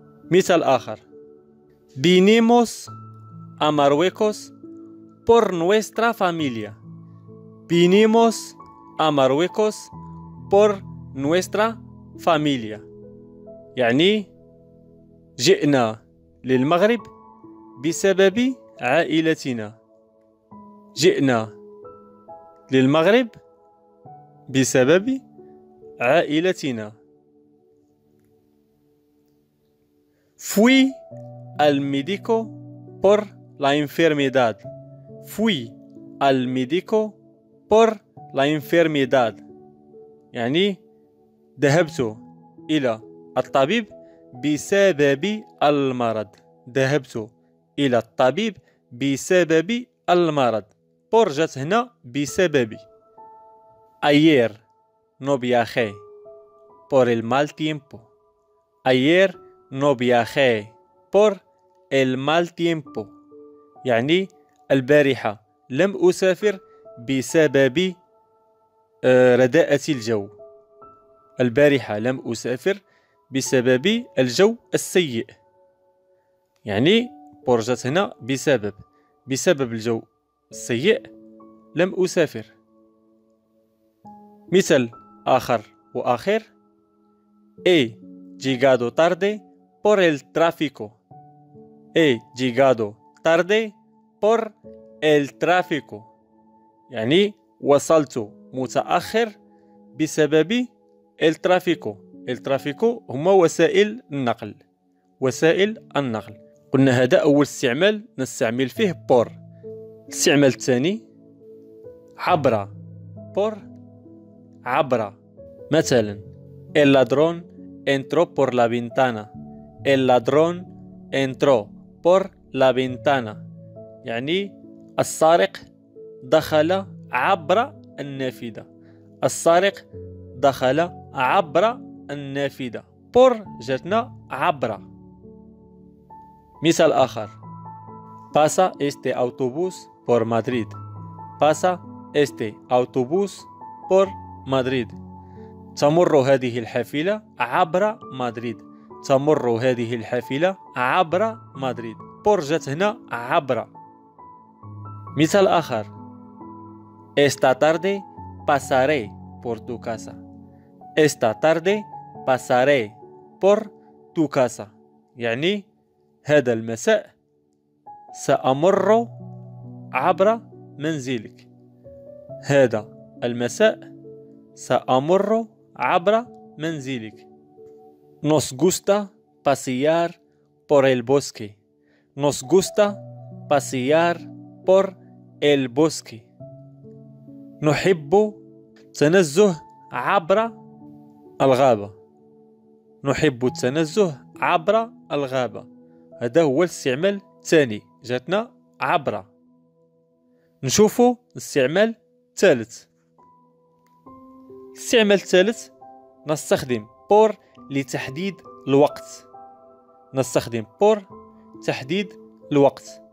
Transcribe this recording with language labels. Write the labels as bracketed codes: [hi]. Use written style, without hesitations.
[ar] مثال آخر، [es] بينيموس أمارويكوس بور نوسترا فاميليا، [ar] بينيموس أمارويكوس بور نوسترا فاميليا، يعني جئنا للمغرب بسبب عائلتنا، جئنا للمغرب بسبب عائلتنا. [es] fui al médico por la enfermedad، fui al médico por la enfermedad، [ar] يعني ذهبت إلى الطبيب بسبب المرض، [es] ذهبت إلى الطبيب بسبب المرض. [ar] por جات هنا بسبب. [es] ayer no viajé por el mal tiempo، [ar] ayer no viajé por el mal tiempo، يعني البارحة لم أسافر بسبب رداءة الجو، البارحة لم أسافر بسبب الجو السيء، يعني برجت هنا بسبب الجو السيء لم أسافر. مثل آخر وآخر، [es] he llegado tarde por el tráfico، he llegado tarde por el tráfico، [ar] يعني وصلت متأخر بسبب الترافيكو. الترافيكو هما وسائل النقل، وسائل النقل. قلنا هذا أول استعمال نستعمل فيه بور. الاستعمال الثاني، عبر بور، عبر. مثلا، [es] el ladrón entró por la ventana، el ladrón entró por la ventana، [ar] يعني السارق دخل عبر النافذة، [es] السارق دخل عبر النافذة. [ar] por جاتنا عبر. مثال آخر، [es] pasa este autobús por Madrid، pasa este autobús por مدريد، [ar] تمر هذه الحافلة عبر مدريد، تمر هذه الحافلة عبر مدريد. برجت هنا عبر. مثال آخر، [es] esta tarde pasaré por tu casa، [ar] esta tarde pasaré por tu casa، يعني هذا المساء سأمر عبر منزلك، هذا المساء سأمر عبر منزلك. [es] nos gusta pasear por el bosque، nos gusta pasear por el bosque، [ar] نحب التنزه عبر الغابة، [es] نحب التنزه عبر الغابة. [ar] هذا هو الاستعمال الثاني، جاتنا عبر. نشوفوا الاستعمال الثالث. الاستعمال الثالث، نستخدم بور لتحديد الوقت. نستخدم بور تحديد الوقت.